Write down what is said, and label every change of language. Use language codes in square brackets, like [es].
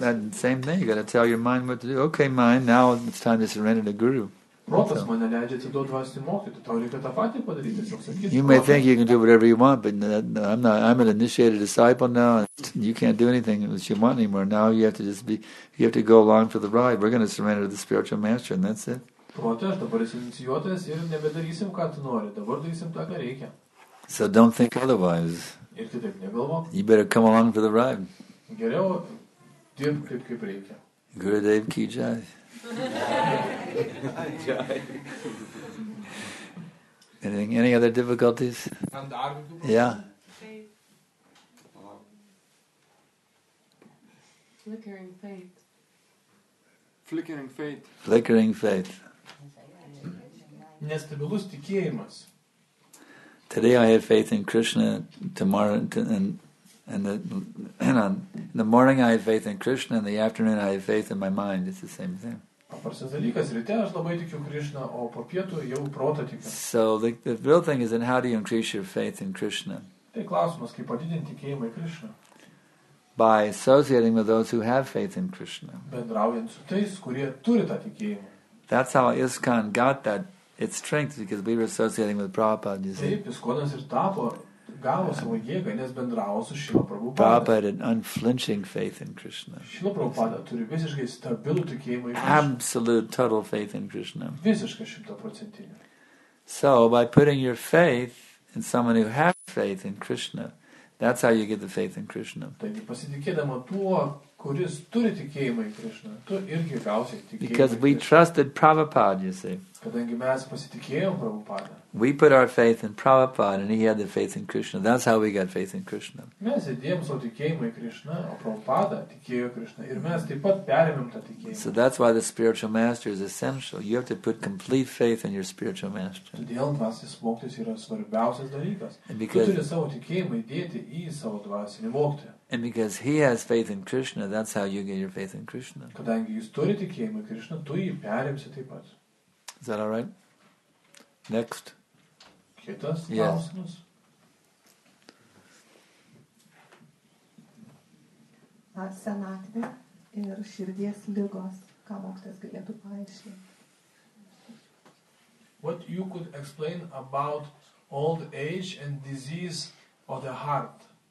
[en] Well, that same thing, you got to tell your mind what to do. Okay, mind, now it's time to surrender to Guru. You may think you can do whatever you want, but I'm an initiated disciple now, and you can't do anything that you want anymore. Now you have to go along for the ride. We're going to surrender to the spiritual master, and that's it. [lt] Protė, aš dabar esu inicijuotojas ir nebedarysim, ką tu nori. Dabar darysim tą, ką reikia. [en] So don't think otherwise. [lt] Ir kitaip negalvok. [en] You better come along for the ride. [lt] Geriau dirb kaip reikia. [hi] Gurudev ki jai. [en] Anything, any other difficulties? Yeah. Flickering faith. [lt] Nestabilus tikėjimas. [en] Today I have faith in Krishna, in the morning I have faith in Krishna, in the afternoon I have faith in my mind. It's the same thing. [lt] Paprastas dalykas, ryte aš labai tikiu Krishna, o po pietų jau protą tikiu. [en] So the real thing is, then how do you increase your faith in Krishna? [lt] Tai klausimas, kaip padidinti tikėjimą į Krishna? [en] By associating with those who have faith in Krishna. [lt] Bendraujant su tais, kurie turi tą tikėjimą. [en] That's how ISKCON got that its strength, because we were associating with Prabhupada, you see. [lt] Taip, ISKCON ir tapo, gavo savo jėgą, nes bendravo su Šrila Prabhupada. [en] Prabhupada had an unflinching faith in Krishna. [lt] Šrila Prabhupada turi visiškai stabilų tikėjimą į Krishna. [en] Absolute, total faith in Krishna. [lt] Visiškai 100%. [en] So, by putting your faith in someone who has faith in Krishna, that's how you get the faith in Krishna. [lt] Taigi, pasitikėdama tuo, kuris turi tikėjimą į Krishna, tu irgi gausi tikėjimą. [en] Because we trusted Prabhupada, you see. [lt] Kadangi mes pasitikėjom Prabhupada. [en] We put our faith in Prabhupada and he had the faith in Krishna. That's how we got faith in Krishna. [lt] Mes įdėjom savo tikėjimą į Krishna, o Prabhupada tikėjo Krishna. Ir mes taip pat perėmėm tą tikėjimą. [en] So that's why the spiritual master is essential. You have to put complete faith in your spiritual master. [lt] Todėl dvasinis mokytojas yra svarbiausias dalykas. Tu turi savo tikėjimą įdėti į savo dvasinį mokytoją. [en] And because he has faith in Krishna, that's how you get your faith in Krishna. [lt] Kadangi jūs turite tikėjimą Krishna, tu jį perimsi taip pat. [en] Is that all right? Next. [lt] Kitas klausimas. Senatvė ir širdies ligos, ką mokytas galėtų paaiškinti? [en] What you could explain about old age and disease of the heart?